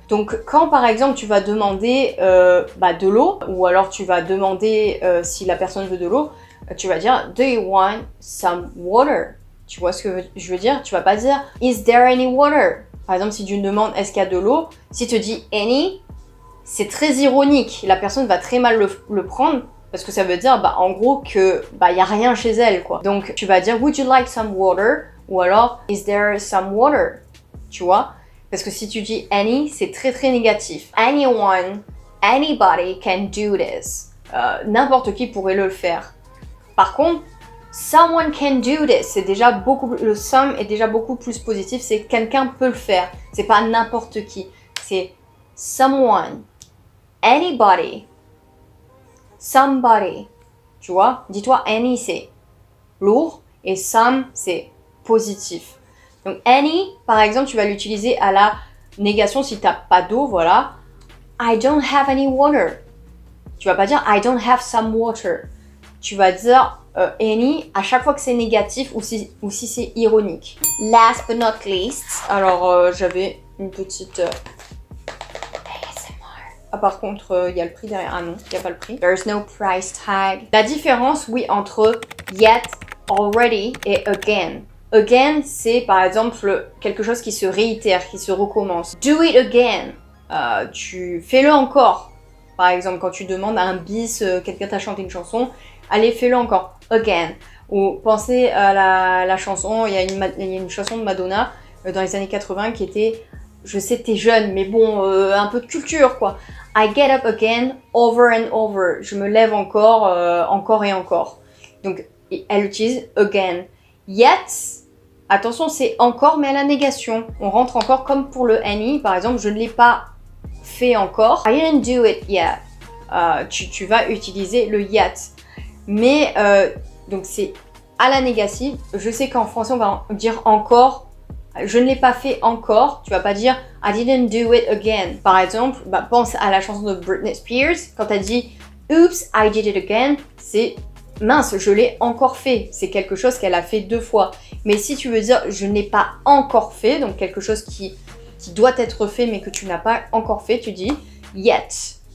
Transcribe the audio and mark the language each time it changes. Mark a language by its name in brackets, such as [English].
[French] Donc, quand par exemple, tu vas demander de l'eau, ou alors tu vas demander si la personne veut de l'eau, tu vas dire, [English] do you want some water? [French] Tu vois ce que je veux dire? Tu vas pas dire, [English] is there any water? [French] Par exemple, si tu me demandes, est-ce qu'il y a de l'eau? Si tu dis any, c'est très ironique. La personne va très mal le prendre, parce que ça veut dire, bah, en gros, que bah, y a rien chez elle, quoi. Donc, tu vas dire, [English] would you like some water? [French] Ou alors, [English] is there some water? [French] Tu vois? Parce que si tu dis any, c'est très très négatif. [English] Anyone, anybody can do this. [French] N'importe qui pourrait le faire. Par contre, [English] someone can do this. [French] C'est déjà beaucoup, le some est déjà beaucoup plus positif. C'est quelqu'un peut le faire. C'est pas n'importe qui. C'est someone, anybody, somebody. Tu vois? Dis-toi, any, c'est lourd. Et some, c'est positif. Donc any, par exemple, tu vas l'utiliser à la négation si tu n'as pas d'eau, voilà. [English] I don't have any water. [French] Tu vas pas dire [English] I don't have some water. [French] Tu vas dire any à chaque fois que c'est négatif ou si c'est ironique. [English] Last but not least. [French] Alors, j'avais une petite ASMR. Ah, par contre, il y a le prix derrière. Ah non, il n'y a pas le prix. [English] There's no price tag. [French] La différence, oui, entre yet, already et again. Again, c'est par exemple quelque chose qui se réitère, qui se recommence. [English] Do it again. [French] Tu fais-le encore. Par exemple, quand tu demandes à un bis, quelqu'un t'a chanté une chanson, allez, fais-le encore. Again. Ou pensez à la chanson, il y a une chanson de Madonna dans les années 80 qui était, je sais, t'es jeune, mais bon, un peu de culture, quoi. [English] I get up again, over and over. [French] Je me lève encore, encore et encore. Donc, elle utilise again. Yet, attention, c'est encore, mais à la négation. On rentre encore comme pour le any, par exemple, je ne l'ai pas fait encore. [English] I didn't do it yet. [French] Tu vas utiliser le yet. Mais, donc c'est à la négative. Je sais qu'en français, on va dire encore. Je ne l'ai pas fait encore. Tu ne vas pas dire [English] I didn't do it again. [French] Par exemple, bah, pense à la chanson de Britney Spears. Quand elle dit [English] oops, I did it again, [French] c'est mince, je l'ai encore fait. C'est quelque chose qu'elle a fait deux fois. Mais si tu veux dire je n'ai pas encore fait, donc quelque chose qui doit être fait mais que tu n'as pas encore fait, tu dis yet.